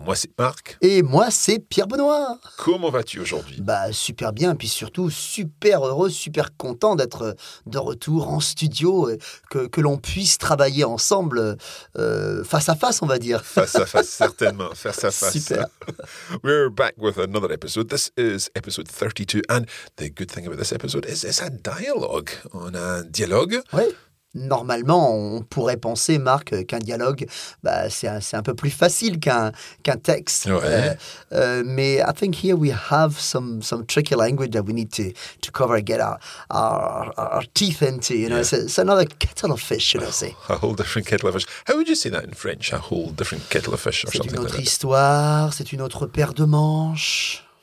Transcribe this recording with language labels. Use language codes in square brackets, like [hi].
[fr] Moi c'est Marc. Et moi c'est Pierre Benoît. Comment vas-tu aujourd'hui? Bah super bien et puis surtout super heureux, super content d'être de retour en studio et que l'on puisse travailler ensemble face à face on va dire. Face à face certainement, face à face. Super. [en] We're back with another episode. This is episode 32 and the good thing about this episode is it's a dialogue. [fr] On a un dialogue. Oui. Normalement, on pourrait penser, Marc, qu'un dialogue, bah, c'est un peu plus facile qu'un texte. Ouais. Mais [en] I think here we have some tricky language that we need to cover, get our teeth into. You know, yeah. It's another kettle of fish, should I say? A whole different kettle of fish. How would you say that in French? A whole different kettle of fish, or [fr] c'est [en] something [fr] une autre [en] like [fr] histoire. [en] That. [fr] C'est une autre paire de manches.